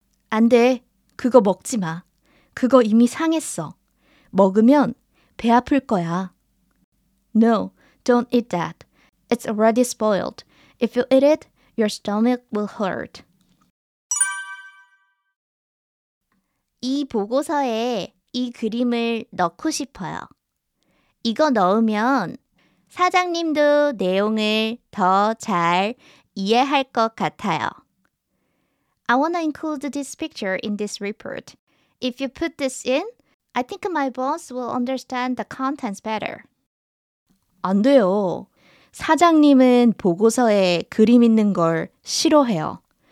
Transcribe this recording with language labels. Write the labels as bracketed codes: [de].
[ko] 안 돼, 그거 먹지 마. 그거 이미 상했어. 먹으면 배 아플 거야. [en] No, don't eat that. It's already spoiled. If you eat it, your stomach will hurt. [ko] 이 보고서에 이 그림을 넣고 싶어요. 이거 넣으면 사장님도 내용을 더 잘 이해할 것 같아요. [en] I want to include this picture in this report. If you put this in, I think my boss will understand the contents better. [ko] 안 돼요. 사장님은 보고서에 그림 있는 걸 싫어해요.